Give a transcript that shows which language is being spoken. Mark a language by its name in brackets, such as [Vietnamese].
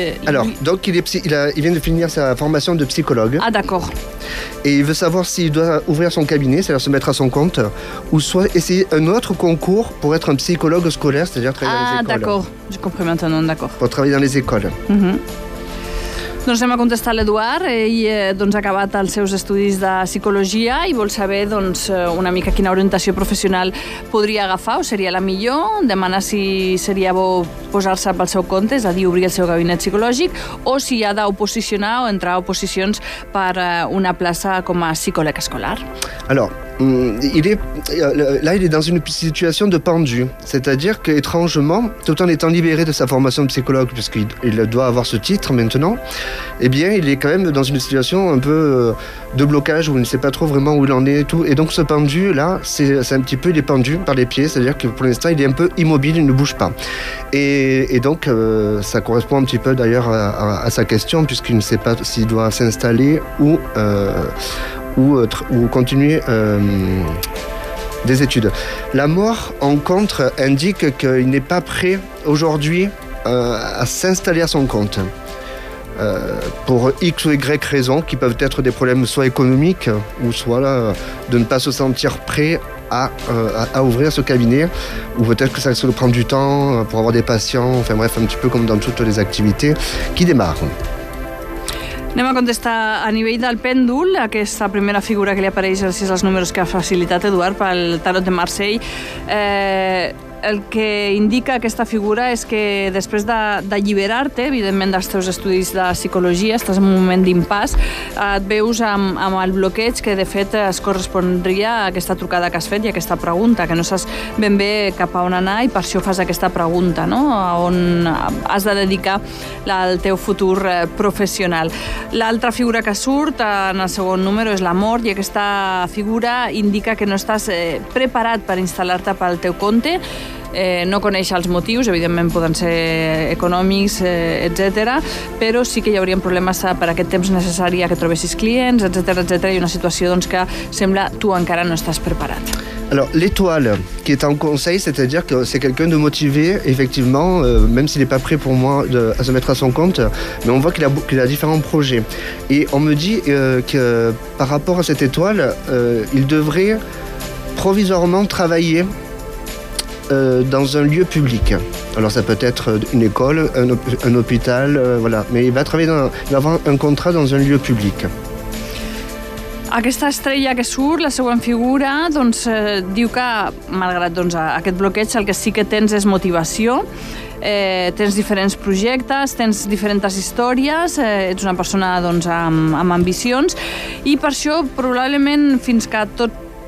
[French] Alors, donc il vient de finir sa formation de psychologue. Ah d'accord. Et il veut savoir s'il doit ouvrir son cabinet, c'est-à-dire se mettre à son compte, ou soit essayer un autre concours pour être un psychologue scolaire, c'est-à-dire travailler dans les écoles. Ah d'accord, j'ai compris maintenant, d'accord. Pour travailler dans les écoles. [Catalan] Doncs anem a contestar l'Eduard. Ell doncs, ha acabat els seus estudis de psicologia i vol saber doncs, una mica quina orientació professional podria agafar o seria la millor. Demana si seria bo posar-se pel seu compte, és a dir, obrir el seu gabinet psicològic, o si ha d'oposicionar o entrar a oposicions per una plaça com a psicòleg escolar. [French] Alors, il est dans une situation de pendu, c'est-à-dire qu'étrangement, tout en étant libéré de sa formation de psychologue, puisqu'il doit avoir ce titre maintenant, eh bien, il est quand même dans une situation un peu de blocage où il ne sait pas trop vraiment où il en est et tout. Et donc, ce pendu-là, c'est un petit peu, il est pendu par les pieds, c'est-à-dire que pour l'instant, il est un peu immobile, il ne bouge pas. Et donc, ça correspond un petit peu d'ailleurs à sa question, puisqu'il ne sait pas s'il doit s'installer ou continuer des études. La mort, en contre, indique qu'il n'est pas prêt aujourd'hui à s'installer à son compte. Pour X ou Y raisons, qui peuvent être des problèmes soit économiques, ou soit là, de ne pas se sentir prêt à ouvrir ce cabinet, ou peut-être que ça se prend du temps pour avoir des patients, enfin bref, un petit peu comme dans toutes les activités qui démarrent. [Catalan] Anem a contestar a nivell del pèndol, aquesta primera figura que li apareix gràcies als números que ha facilitat Eduard pel tarot de Marseille. El que indica aquesta figura és que després d'alliberar-te, evidentment, dels teus estudis de psicologia, estàs en un moment d'impàs, et veus amb el bloqueig que, de fet, es correspondria a aquesta trucada que has fet i a aquesta pregunta, que no saps ben bé cap a on anar i per això fas aquesta pregunta, no? On has de dedicar el teu futur professional. L'altra figura que surt en el segon número és la mort i aquesta figura indica que no estàs preparat per instal·lar-te pel teu compte. No coneixes els motius, evidentment poden ser econòmics, etc. Però sí que hi haurien problemes per aquest temps necessari que trobessis clients, etc, etc, i una situació doncs, que sembla tu encara no estàs preparat. [French] Alors, l'étoile qui est en conseil, c'est-à-dire que c'est quelqu'un de motivé, effectivement, même s'il n'est pas prêt pour moi à se mettre à son compte, mais on voit qu'il a différents projets. Et on me dit que par rapport à cette étoile, il devrait provisoirement travailler dans un lieu public. Alors ça peut être une école, un hôpital, voilà. Mais il va avoir un contrat dans un lieu public. [Catalan] Aquesta estrella que surt, la següent figura, doncs, diu que, malgrat doncs, aquest bloqueig, el que sí que tens és motivació. Tens diferents projectes, tens diferents històries, ets una persona doncs, amb ambicions i per això probablement fins que tot